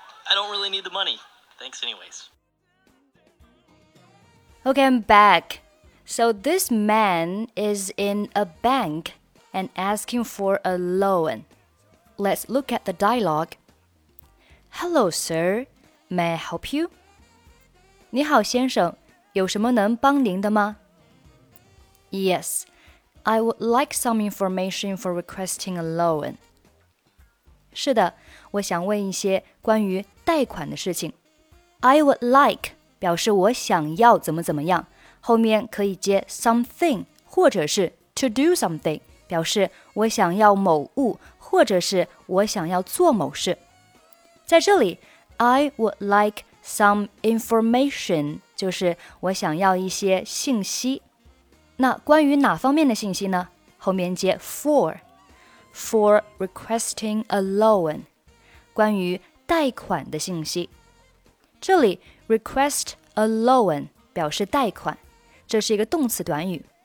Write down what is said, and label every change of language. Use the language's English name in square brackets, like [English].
[English] I don't really need the money. Thanks anyways. Okay, I'm back. So this man is in a bank and asking for a loan. Let's look at the dialogue. Hello, sir. May I help you? [Chinese] 你好，先生，有什么能帮您的吗？ [English] Yes, I would like some information for requesting a loan. [Chinese] 是的，我想问一些关于贷款的事情。 [English] I would like [Chinese] 表示我想要怎么怎么样，后面可以接 something 或者是 [English] to do something [Chinese] 表示我想要某物或者是我想要做某事。在这里 [English] ，I would like some information [Chinese] 就是我想要一些信息。那关于哪方面的信息呢？后面接 for [English] requesting a loan， [Chinese] 关于贷款的信息。这里 [English] request a loan [Chinese] 表示贷款，这是一个动词短语。